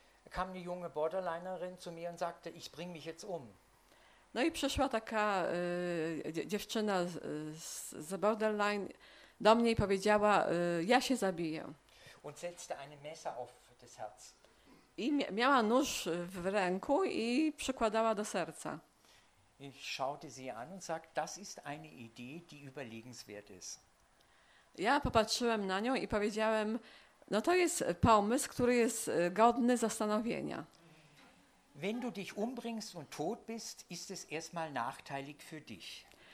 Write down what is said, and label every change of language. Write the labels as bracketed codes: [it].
[de] Kam eine junge Borderlinerin zu mir und sagte, ich bring mich jetzt um. [pl] No i przyszła taka dziewczyna z borderline do mnie i powiedziała, ja się zabiję. [de] Und setzte ein Messer auf das Herz. [pl] I miała nóż w ręku i przykładała do serca. [de] Ich schaute sie an und sagte, das ist eine Idee, die überlegenswert ist. [pl] Ja popatrzyłem na nią i powiedziałem, no to jest pomysł, który jest godny zastanowienia. [de] Wenn du dich umbringst und tot bist, ist es erstmal nachteilig für dich.